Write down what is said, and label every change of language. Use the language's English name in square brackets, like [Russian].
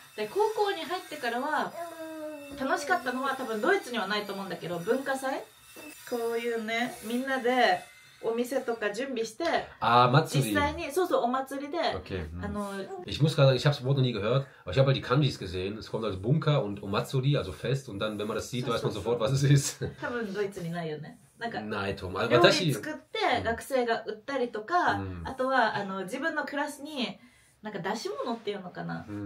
[Japanese] De, koukou ni haitete kara wa, 楽しかったのは多分ドイツにはないと思うんだけど、文化祭こういうね、みんなでお店とか準備して、あ、祭り。実際に、そうそう、お祭りで、 [English] okay. あの、 [German] ich muss gerade sagen, ich habe das Wort noch nie gehört, aber ich habe halt die Kanjis gesehen. Es kommt als Bunker und Omatsuri, also Fest, und dann, wenn man das sieht, weiß man sofort, was es ist. [Japanese] 多分ドイツにないよね。なんか、ないと思う。料理作って学生が売ったりとか、あとは、あの、自分のクラスに、なんか出し物っていうのかな。